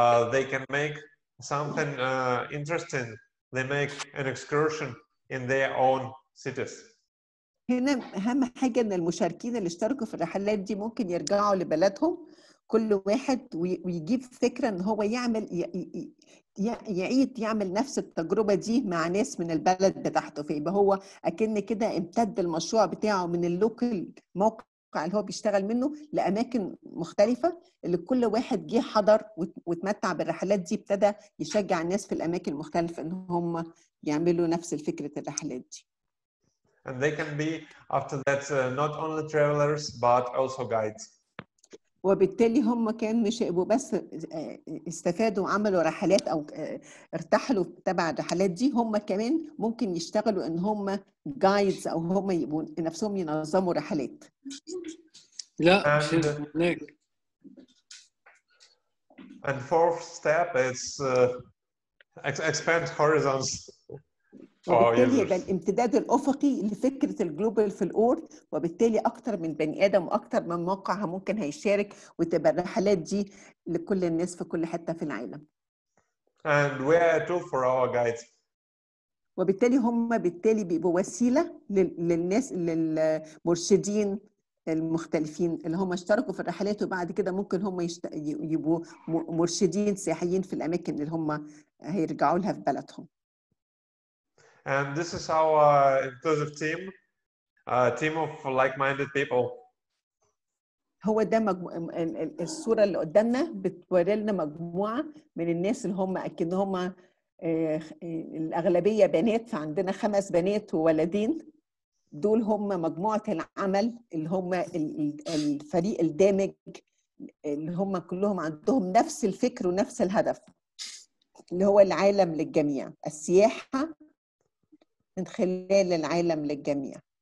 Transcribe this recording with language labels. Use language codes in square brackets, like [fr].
[en] They can make something interesting. They make an excursion in their own cities. [ar] هنا أهم حاجة إن المشاركين اللي اشتركوا في الرحلات دي ممكن يرجعوا لبلدهم كل واحد ويجيب فكرة إن هو يعمل يعيد يعمل نفس التجربة دي مع ناس من البلد بتاعته فيه، يبقى هو أكن كده امتد المشروع بتاعه من اللوكل موقع اللي هو بيشتغل منه لأماكن مختلفة، اللي كل واحد جه حضر وتمتع بالرحلات دي ابتدى يشجع الناس في الأماكن المختلفة إن هم يعملوا نفس الفكرة الرحلات دي. [en] And they can be after that not only travelers but also guides. [ar] وبالتالي هم كان مش بس استفادوا وعملوا رحلات او ارتحلوا تبع الرحلات دي، هم كمان ممكن يشتغلوا ان هم guides او هم يبقوا نفسهم ينظموا رحلات. لا مش هناك. [en] And fourth step is expand horizons. [ar] وبالتالي يبقى الامتداد الأفقي لفكرة الجلوبال في الأورد، وبالتالي أكتر من بني آدم وأكتر من موقع ممكن هيشارك وتبقى الرحلات دي لكل الناس في كل حتة في العالم. [en] And we are a tool for our guides. [ar] وبالتالي هم بالتالي بيبقوا وسيلة للناس للمرشدين المختلفين اللي هم اشتركوا في الرحلات، وبعد كده ممكن هم يبقوا مرشدين سياحيين في الأماكن اللي هم هيرجعوا لها في بلدهم. [en] And this is our inclusive team, a team of like-minded people. [ar] هو ده الصورة اللي قدامنا بتوري لنا مجموعة من الناس اللي هم أكيد هم الأغلبية بنات، فعندنا خمس بنات وولدين، دول هم مجموعة العمل اللي هم الفريق الدامج اللي هم كلهم عندهم نفس الفكر ونفس الهدف اللي هو العالم للجميع، السياحة من خلال العالم للجميع.